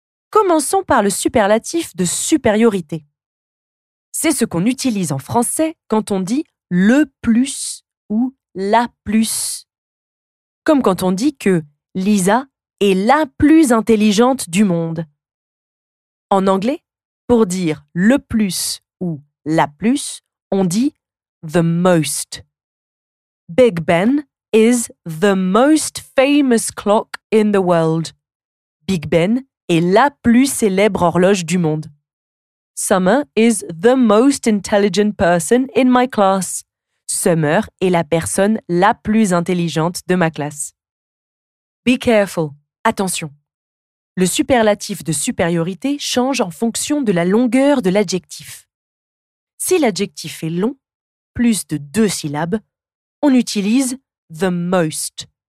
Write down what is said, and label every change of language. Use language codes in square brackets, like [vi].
[fr] Commençons par le superlatif de supériorité. C'est ce qu'on utilise en français quand on dit « le plus » ou « la plus ». Comme quand on dit que « Lisa est la plus intelligente du monde ». En anglais, pour dire « le plus » ou « la plus », on dit « [en] the most ». Big Ben is the most famous clock in the world. [fr] Big Ben est la plus célèbre horloge du monde. [en] Summer is the most intelligent person in my class. [fr] Summer est la personne la plus intelligente de ma classe. [en] Be careful. [fr] Attention. Le superlatif de supériorité change en fonction de la longueur de l'adjectif. Si l'adjectif est long, plus de deux syllabes, on utilise [en] the most.